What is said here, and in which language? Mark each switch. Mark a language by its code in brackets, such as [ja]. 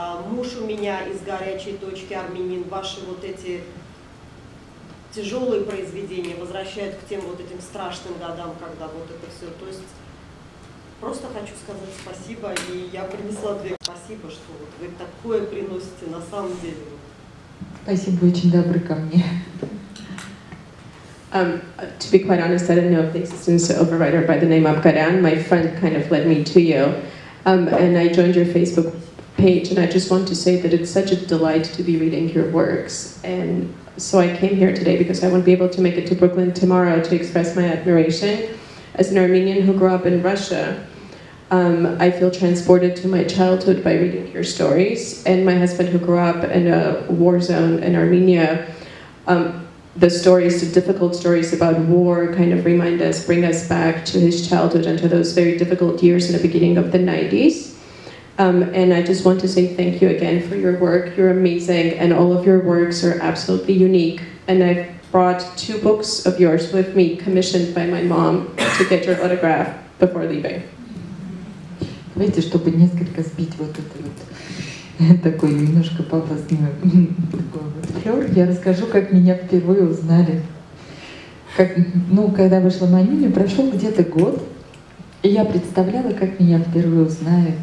[ru] Муж у меня из горячей точки, армянин. Ваши вот эти тяжелые произведения возвращают к тем вот этим страшным годам, когда вот это все. То есть просто хочу сказать спасибо, и я принесла две. Спасибо, что вот вы такое приносите на самом деле. Спасибо, очень добры ко мне. [en] To be quite honest, I didn't know of the existence of a writer by the name Abkaryan. My friend kind of led me to you, and I joined your Facebook page, and I just want to say that it's such a delight to be reading your works. And so I came here today because I wouldn't be able to make it to Brooklyn tomorrow to express my admiration. As an Armenian who grew up in Russia, I feel transported to my childhood by reading your stories. And my husband, who grew up in a war zone in Armenia, the stories, the difficult stories about war, kind of remind us, bring us back to his childhood and to those very difficult years in the beginning of the 90s. And I just want to say thank you again for your work. You're amazing, and all of your works are absolutely unique. And I've brought two books of yours with me, commissioned by my mom, to get your autograph before leaving. [ru] Давайте, чтобы несколько сбить вот это вот такой немножко пафосный флёр, я расскажу, как меня впервые узнали. Когда вышла Манюня, прошел где-то год. И я представляла, как меня впервые узнают.